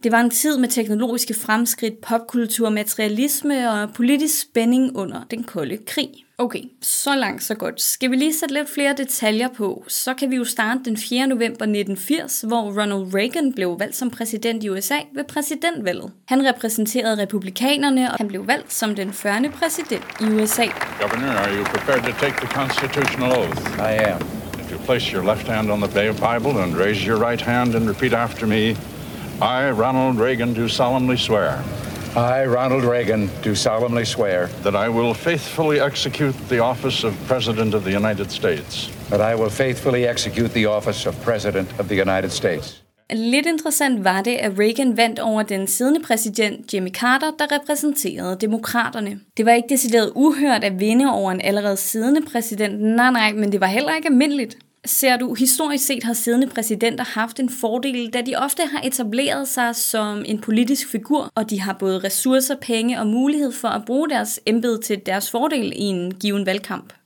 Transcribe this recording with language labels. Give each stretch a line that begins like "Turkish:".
Danish: Det var en tid med teknologiske fremskridt, popkultur, materialisme og politisk spænding under den kolde krig. Okay, så langt så godt. Skal vi lige sætte lidt flere detaljer på, så kan vi jo starte den 4. november 1980, hvor Ronald Reagan blev valgt som præsident i USA ved præsidentvalget. Han repræsenterede republikanerne, og han blev valgt som den 40. præsident i USA.
English: Governor, are you prepared to take the constitutional oath? I am. If you place your left hand on the Bible and raise your right hand and repeat after me, I, Ronald Reagan, do solemnly swear. I, Ronald Reagan, do solemnly swear that I will faithfully execute the office of President of the United States. That I will faithfully execute the office of President of the United States.
Danish: Lidt interessant var det, at Reagan vandt over den siddende præsident Jimmy Carter, der repræsenterede demokraterne. Det var ikke decideret uhørt at vinde over en allerede siddende præsident, nej, men det var heller ikke almindeligt. Ser du, historisk set har siddende præsidenter haft en fordel, da de ofte har etableret sig som en politisk figur, og de har både ressourcer, penge og mulighed for at bruge deres embede til deres fordel i en given valgkamp.